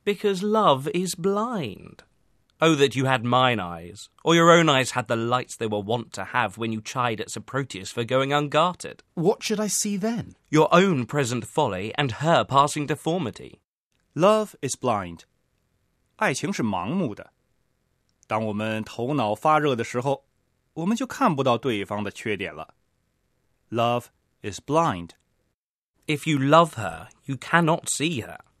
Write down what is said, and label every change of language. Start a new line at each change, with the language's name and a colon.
English: Because love is blind. Oh, that you had mine eyes, or your own eyes had the lights they were wont to have when you chide at Sir Proteus for going ungartered. What should I see then? Your own present folly and her passing deformity. Love is blind.
Chinese: 爱情是盲目的。当我们头脑发热的时候，我们就看不到对方的缺点了。
English: Love is blind. If you love her, you cannot see her.